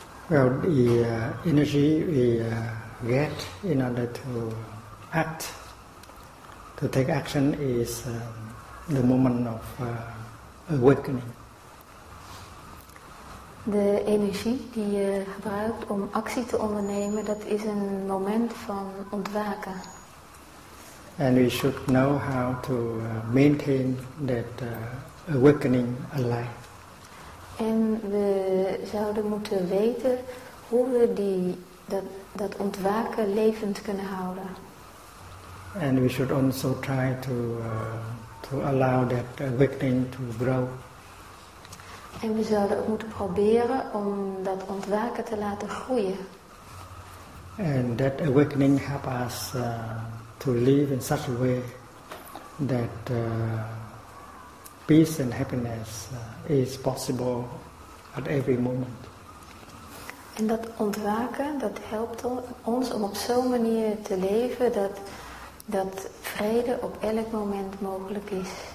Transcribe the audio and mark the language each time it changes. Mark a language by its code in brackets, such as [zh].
[en] Well, the energy we get in order to act, to take action, is the moment of awakening. [nl] De energie die je gebruikt om actie te ondernemen, dat is een moment van ontwaken. [en] And we should know how to maintain that awakening alive. [nl] En we zouden moeten weten hoe we dat ontwaken levend kunnen houden. [en] And we should also try to allow that awakening to grow. [nl] En we zouden ook moeten proberen om dat ontwaken te laten groeien. [en] And that awakening helps us to live in such a way that peace and happiness is possible at every moment. [nl] En dat ontwaken, dat helpt ons om op zo'n manier te leven dat vrede op elk moment mogelijk is.